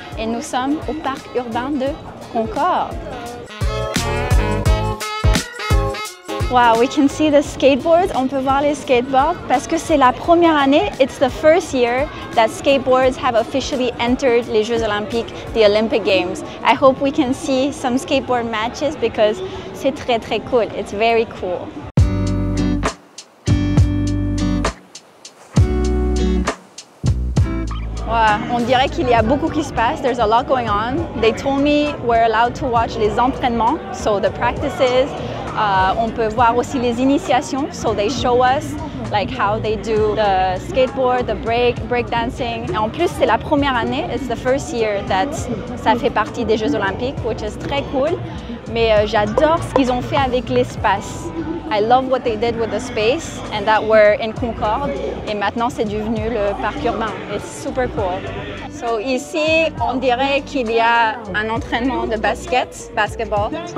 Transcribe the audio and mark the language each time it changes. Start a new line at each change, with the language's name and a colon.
French: Et nous sommes au parc urbain de Concorde.
English: Wow, we can see the skateboards.
French: On peut voir les skateboards parce que c'est la première année.
English: It's the first year that skateboards have officially entered
French: les Jeux Olympiques,
English: the Olympic Games. I hope we can see some skateboard matches because
French: c'est très très cool.
English: It's very cool.
French: Wow, on dirait qu'il y a beaucoup qui se passe.
English: There's a lot going on. They told me we're allowed to watch
French: les entraînements,
English: so the practices.
French: On peut voir aussi les initiations,
English: so they show us like how they do the skateboard, the break dancing.
French: Et en plus, c'est la première année,
English: it's the first year that
French: ça fait partie des Jeux Olympiques,
English: which is
French: très cool. Mais j'adore ce qu'ils ont fait avec l'espace.
English: I love what they did with the space and that we're in Concorde.
French: Et maintenant, c'est devenu le parc urbain.
English: It's super cool.
French: So ici, on dirait qu'il y a un entraînement de basket, basketball.